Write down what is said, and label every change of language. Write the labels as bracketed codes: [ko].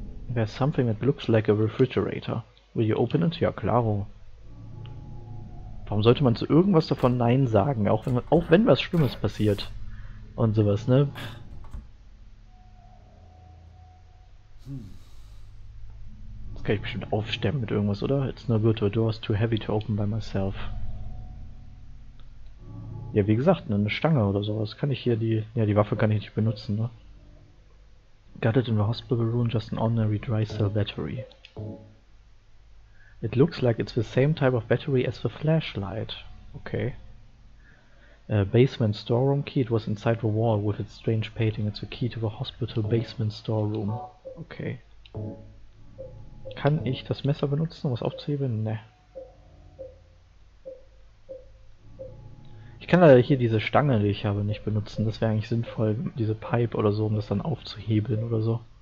[en] There's something that looks like a refrigerator. Will you open it? [de] Ja, claro. Warum sollte man zu irgendwas davon Nein sagen? Auch wenn was Schlimmes passiert. Und sowas, ne? Jetzt kann ich bestimmt aufsterben mit irgendwas, oder? [en] It's no good, the door is too heavy to open by myself. [de] Ja, wie gesagt, ne, eine Stange oder sowas. Kann ich hier die. Ja, die Waffe kann ich nicht benutzen, ne? [en] gutted in the hospital room, just an ordinary dry cell battery. It looks like it's the same type of battery as the flashlight. Okay. A basement storeroom key, it was inside the wall with its strange painting. It's the key to the hospital basement storeroom. Okay. [de] Kann ich das Messer benutzen, um was aufzuheben? Ne. Ich kann leider hier diese Stange, die ich habe, nicht benutzen. Das wäre eigentlich sinnvoll, diese Pipe oder so, um das dann aufzuhebeln oder so.